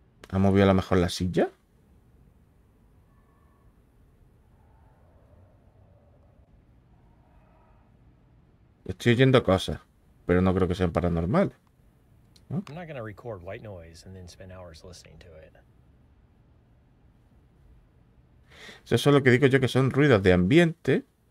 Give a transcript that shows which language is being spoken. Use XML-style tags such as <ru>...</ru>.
<es>¿Ha movido a lo mejor la silla? Estoy oyendo cosas, pero no creo que sean paranormales.</es> <en>I'm not going to record white noise and then spend hours listening to it.</en> <es>Eso es lo que digo yo, que son ruidos de ambiente.</es>